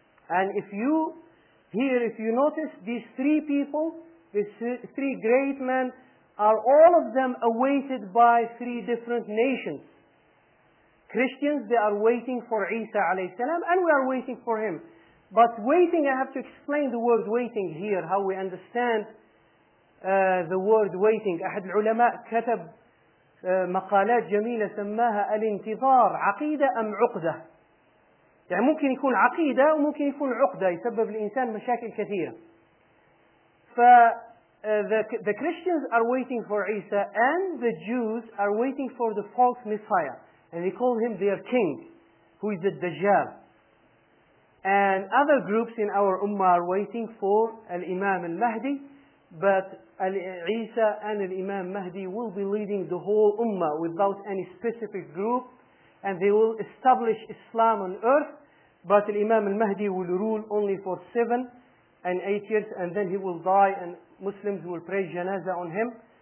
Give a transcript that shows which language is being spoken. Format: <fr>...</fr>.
<en>And if you here, if you notice, these three people, these three great men, are all of them awaited by three different nations. Christians, they are waiting for Isa alayhi salam, and we are waiting for him. But waiting, I have to explain the word waiting here, how we understand the word waiting.</en> <ar>أحد العلماء كتب مقالات جميلة سماها الانتظار عقيدة أم عقدة. يعني ممكن يكون عقيدة وممكن يكون عقدة يسبب الإنسان مشاكل كثيرة.</ar> <en>The Christians are waiting for Isa, and the Jews are waiting for the false Messiah, and they call him their king, who is the Dajjal. And other groups in our Ummah are waiting for Al-Imam Al-Mahdi, but Isa and Al-Imam Mahdi will be leading the whole Ummah without any specific group, and they will establish Islam on earth, but Al-Imam Al-Mahdi will rule only for 7 and 8 years, and then he will die, and Muslims will pray janazah on him.</en>